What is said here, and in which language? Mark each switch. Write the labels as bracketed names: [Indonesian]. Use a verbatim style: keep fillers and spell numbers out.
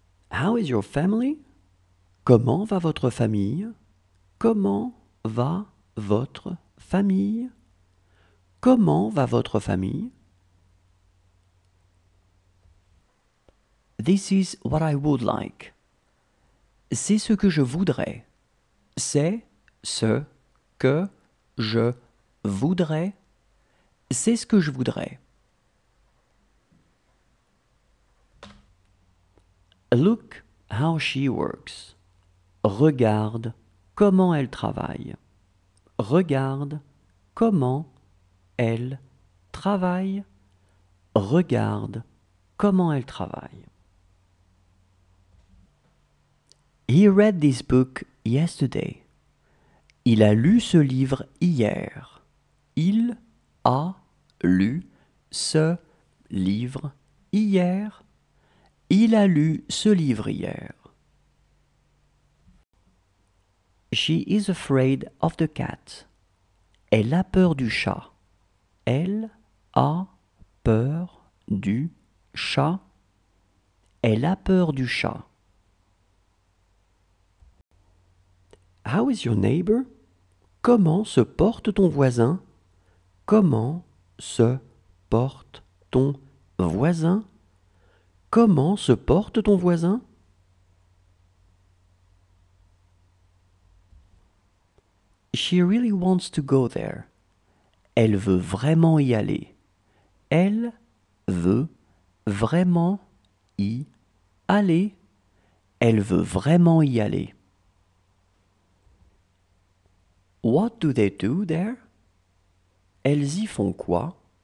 [English] How is your family? [French] Comment va votre famille? Comment va votre famille? Comment va votre famille? [English] This is what I would like. [French] C'est ce que je voudrais. C'est ce que je voudrais. C'est ce que je voudrais. [English] Look how she works. [French] Regarde comment elle travaille. Regarde comment elle travaille. Regarde comment elle travaille. [English] He read this book yesterday. [French] Il a lu ce livre hier. Il a lu ce livre hier. Il a lu ce livre hier. [English] She is afraid of the cat. [French] Elle a peur du chat. Elle a peur du chat. Elle a peur du chat. [English] How is your neighbor? [French] Comment se porte ton voisin? Comment se porte ton voisin? Comment se porte ton voisin? [English] She really wants to go there. [French] Elle veut vraiment y aller. Elle veut vraiment y aller. Elle veut vraiment y aller. [English] What do they do there? [French] Elles y font quoi?